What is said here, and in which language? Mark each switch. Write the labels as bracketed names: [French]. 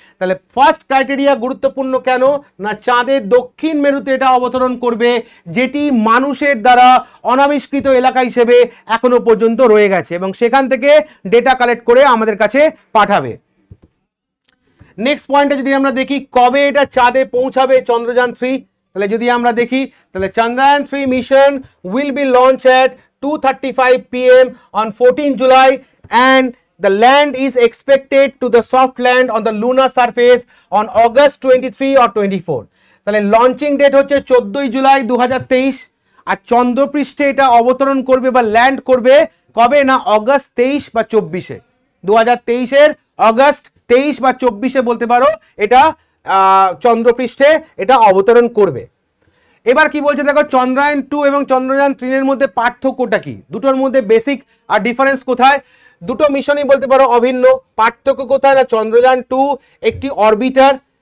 [Bangla] তাহলে first criteria গুরুত্বপূর্ণ কেন, না চাঁদের দক্ষিণ মেরুতে এটা অবতরণ করবে যেটি মানুষের দ্বারা অনাবিষ্কৃত এলাকা হিসেবে এখনও পর্যন্ত রয়ে গেছে এবং সেখান থেকে ডেটা কালেক্ট করে আমাদের কাছে পাঠাবে। নেক্সট পয়েন্টে যদি আমরা দেখি কবে এটা চাঁদে পৌঁছাবে চন্দ্রযান-3, তাহলে যদি আমরা দেখি তাহলে চন্দ্রায়ন-3 [English] Mission will be launch at 2:35 PM on 14 July and The land is expected to the soft land on the lunar surface on August 23 or 24. [Bangla] তাহলে লঞ্চিং ডেট হচ্ছে 14 জুলাই 2023 আর চন্দ্রপৃষ্ঠে এটা অবতরণ করবে বা ল্যান্ড করবে কবে না অগস্ট 23 বা 24 এ 2023 এর অগস্ট 23 বা 24 এ বলতে পারো এটা চন্দ্রপৃষ্ঠে এটা অবতরণ করবে এবার কি বলছে দেখো চন্দ্রায়ন 2 এবং চন্দ্রযান 3 এর মধ্যে পার্থক্যটা কি দুটোর মধ্যে বেসিক আর ডিফারেন্স কোথায় দুটো মিশনই বলতে পারো অভিন্ন পার্থক্য কোথায় না চন্দ্রযান 2 একটি অরবিটার